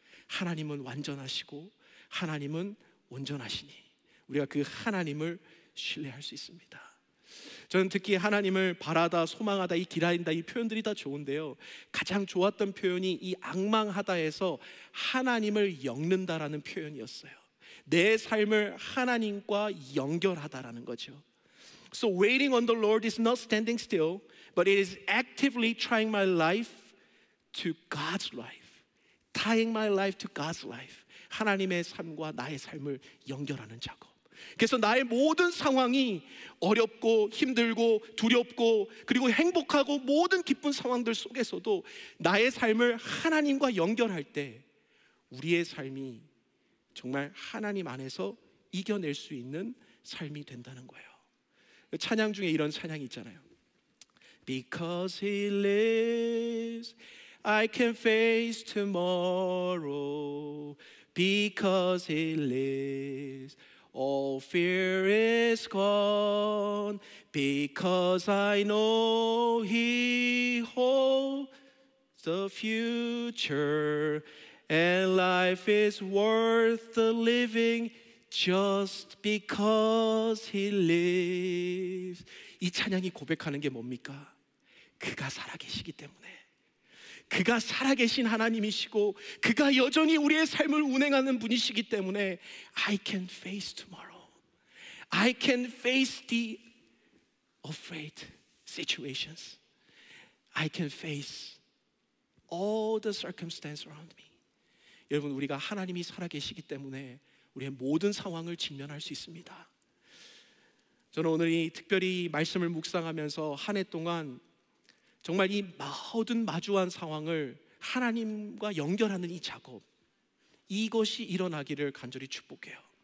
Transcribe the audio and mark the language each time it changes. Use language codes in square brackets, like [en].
[ko] 하나님은 완전하시고 하나님은 온전하시니 우리가 그 하나님을 신뢰할 수 있습니다. 저는 특히 하나님을 바라다, 소망하다, 이 기다린다, 이 표현들이 다 좋은데요. 가장 좋았던 표현이 이 앙망하다에서 하나님을 엮는다라는 표현이었어요. 내 삶을 하나님과 연결하다라는 거죠. [en] So waiting on the Lord is not standing still, but it is actively tying my life to God's life. Tying my life to God's life. [ko] 하나님의 삶과 나의 삶을 연결하는 작업. 그래서 나의 모든 상황이 어렵고 힘들고 두렵고 그리고 행복하고 모든 기쁜 상황들 속에서도 나의 삶을 하나님과 연결할 때 우리의 삶이 정말 하나님 안에서 이겨낼 수 있는 삶이 된다는 거예요. 찬양 중에 이런 찬양이 있잖아요. [en] Because He lives, I can face tomorrow. Because He lives, all fear is gone. Because I know He holds the future, and life is worth the living just because He lives. [ko] 이 찬양이 고백하는 게 뭡니까? 그가 살아계시기 때문에, 그가 살아계신 하나님이시고 그가 여전히 우리의 삶을 운행하는 분이시기 때문에 [en] I can face tomorrow. I can face the afraid situations. I can face all the circumstances around me. [ko] 여러분, 우리가 하나님이 살아계시기 때문에 우리의 모든 상황을 직면할 수 있습니다. 저는 오늘 이 특별히 말씀을 묵상하면서 한 해 동안 정말 이 모든 마주한 상황을 하나님과 연결하는 이 작업, 이것이 일어나기를 간절히 축복해요.